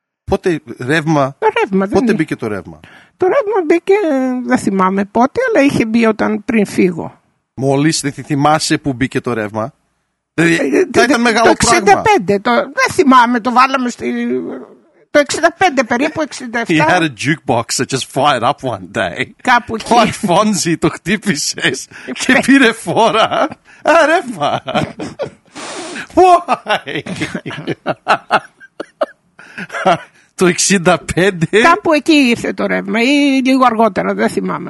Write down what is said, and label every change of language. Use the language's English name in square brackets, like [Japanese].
[Greek] Πότε ρεύμα? Ρεύμα πότε είχε. Μπήκε το ρεύμα? Το ρεύμα μπήκε, δεν θυμάμαι πότε, αλλά είχε μπει όταν πριν φύγω. Μόλις δεν θυμάσαι που μπήκε το ρεύμα. Θα ήταν μεγάλο πράγμα. Το 65, δεν θυμάμαι, το βάλαμε στη... Το 65, περίπου 67. [English] He had a jukebox that just fired up one day. [Greek] Κάπου εκεί. [English] Like [Greek] Fonzie, το χτύπησες και πήρε φόρα. Α, ρεύμα. [English] Why? [Greek] Το 65. Κάπου εκεί ήρθε το ρεύμα ή λίγο αργότερα, δεν θυμάμαι.